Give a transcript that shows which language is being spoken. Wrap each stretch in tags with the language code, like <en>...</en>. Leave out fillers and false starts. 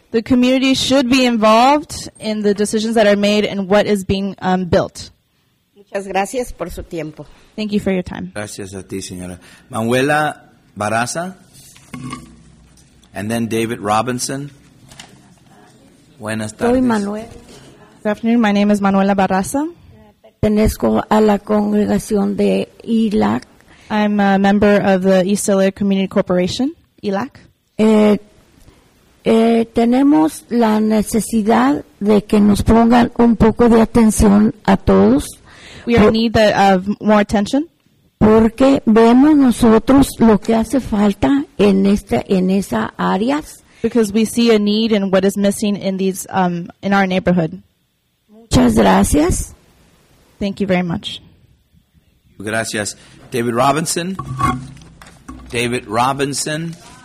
<en>The community should be involved in the decisions that are made and what is being built.</en> <es>Muchas gracias por su tiempo.</es> <en>Thank you for your time.</en> <es>Gracias a ti, señora. Manuela Barraza,</es> <en>and then</en> <es>David Robinson. Buenas tardes. Soy Manuel.</es> <en>Good afternoon. My name is Manuela Barraza.</en> <es>Pertenezco a la congregación de ILAC.</es> <en>I'm a member of the East LA Community Corporation, ILAC.</en> <es>Tenemos la necesidad de que nos pongan un poco de atención a todos.</es> <en>We are in need of more attention.</en> <es>Porque vemos nosotros lo que hace falta en esta, en esa áreas.</es> <en>Because we see a need in what is missing in these, in our neighborhood.</en> <es>Muchas gracias.</es> <en>Thank you very much.</en> <es>Gracias. David Robinson. David Robinson.</es>